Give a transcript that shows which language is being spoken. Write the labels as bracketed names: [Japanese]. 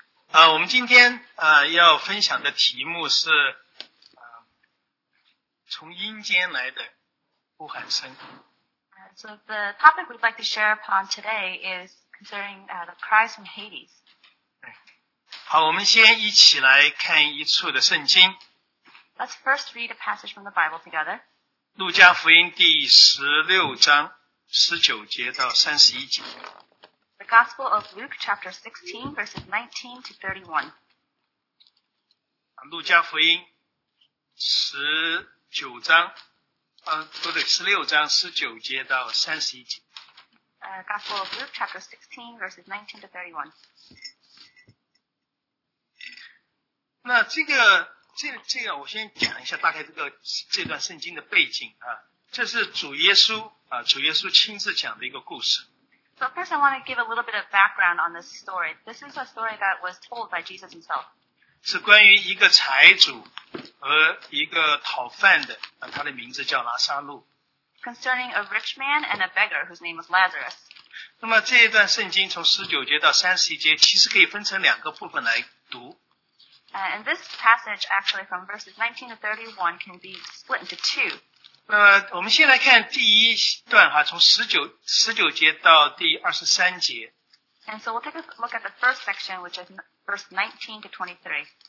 [Chinese] 我们今天要分享的题目是从阴间来的呼喊声。 [English] So the topic we'd like to share upon today is concerning the cries from Hades. [Chinese] 好，我们先一起来看一处的圣经。 [English] Let's first read a passage from the Bible together. [Chinese] 路加福音第16章19节到31节。 [English] Gospel of Luke, chapter 16, verses 19 to 31. [Chinese] 路加福音十九章，不对，十六章十九节到三十一节。 [English] Gospel of Luke, chapter 16, verses 19 to 31. [Chinese] 那这个我先讲一下大概这段圣经的背景啊，这是主耶稣亲自讲的一个故事。 [English] So first, I want to give a little bit of background on this story. This is a story that was told by Jesus himself. [Chinese] 是关于一个财主和一个讨饭的，他的名字叫拉撒路。 [English] Concerning a rich man and a beggar whose name was Lazarus. [Chinese] 那么这一段圣经从19节到31节其实可以分成两个部分来读。 [English] And this passage actually from verses 19 to 31 can be split into two. [Chinese] 我们先来看第一段哈，从19节到第23节。 [English] And so we'll take a look at the first section, which is verse 19 to 23.